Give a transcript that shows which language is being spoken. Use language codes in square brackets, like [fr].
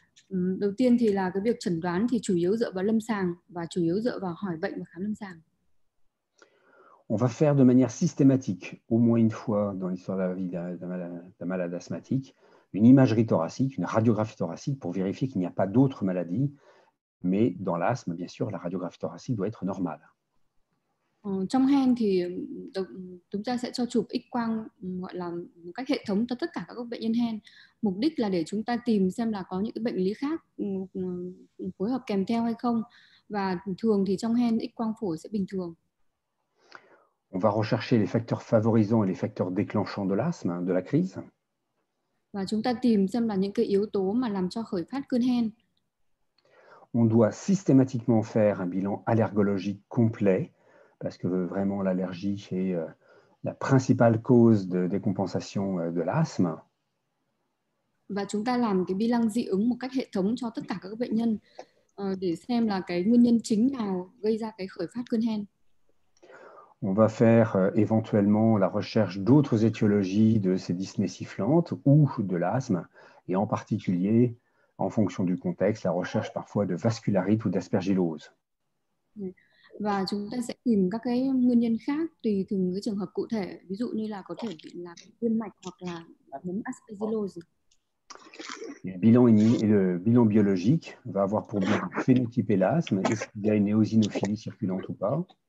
[vi] Đầu tiên thì là cái việc chẩn đoán thì chủ yếu dựa vào lâm sàng và chủ yếu dựa vào hỏi bệnh và khám lâm sàng. [fr] On va faire de manière systématique, au moins une fois dans l'histoire de la vie d'un malade asthmatique, une imagerie thoracique, une radiographie thoracique pour vérifier qu'il n'y a pas d'autres maladies. Mais dans l'asthme, bien sûr, la radiographie thoracique doit être normale. [vi] Trong hen thì chúng ta sẽ cho chụp X quang gọi là một cách hệ thống cho tất cả các bệnh nhân hen. Mục đích là để chúng ta tìm xem là có những cái bệnh lý khác phối hợp kèm theo hay không. Và thường thì trong hen X quang phổi sẽ bình thường. [fr] On va rechercher les facteurs favorisants et les facteurs déclenchants de l'asthme, de la crise. [vi] Và chúng ta tìm xem là những cái yếu tố mà làm cho khởi phát cơn hen. [fr] On doit systématiquement faire un bilan allergologique complet, parce que vraiment l'allergie est la principale cause de décompensation de l'asthme. [vi] Và chúng ta làm cái bilan dị ứng một cách hệ thống cho tất cả các bệnh nhân để xem là cái nguyên nhân chính nào gây ra cái khởi phát cơn hen. [fr] On va faire éventuellement la recherche d'autres étiologies de ces dyspnées sifflantes ou de l'asthme, et en particulier, en fonction du contexte, la recherche parfois de vascularite ou d'aspergillose. [vi] Và chúng ta sẽ tìm các cái nguyên nhân khác tùy từng cái trường hợp cụ thể, ví dụ như là có thể bị là viêm mạch hoặc là nấm aspergillosis. [fr] Le bilan biologique va avoir pour but de phénotyper l'asthme, est-ce qu'il y a une éosinophilie circulante ou pas?